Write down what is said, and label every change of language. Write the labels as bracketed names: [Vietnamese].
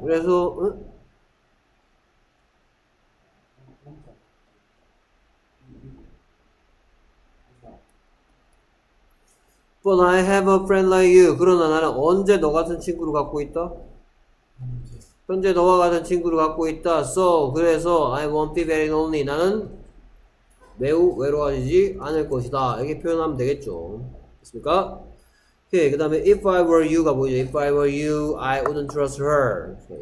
[English] 그래서 But I have a friend like you. [Korean] 그러나 나는 언제 너 같은 친구를 갖고 있다? 현재 너와 같은 친구를 갖고 있다. [English] So, 그래서 I won't be very lonely. [Korean] 나는 매우 외로워지지 않을 것이다. 이렇게 표현하면 되겠죠. 됐습니까? 오케이, 그 다음에 [English] If I were you [Korean] 가 뭐죠? [English] If I were you, I wouldn't trust her.